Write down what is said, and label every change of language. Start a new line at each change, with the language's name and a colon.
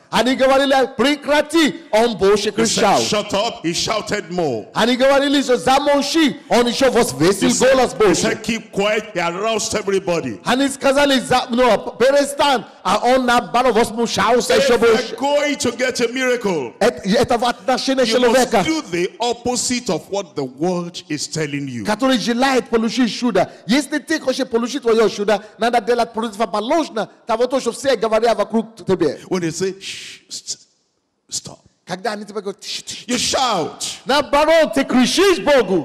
English: And he
Russian: говорил, прекрати, он больше кричал.
English: Shut up, he shouted more. And he
Russian: говорил, замолчи, он еще возвысил голос больше.
English: He said, keep quiet, he aroused everybody. And he
Russian: сказал, no, перестань, а он наоборот возмущался еще больше.
English: If you're going to get a miracle,
Russian: это в отношении человека,
English: you must do the opposite of what the world is telling you.
Russian: Который желает получить чудо. Если ты хочешь получить твое чудо, надо делать противоположно того, что все говорят вокруг тебя.
English: When they say, stop.
Russian: Когда они тебе говорят,
English: you shout.
Russian: Наоборот, ты кричишь Богу.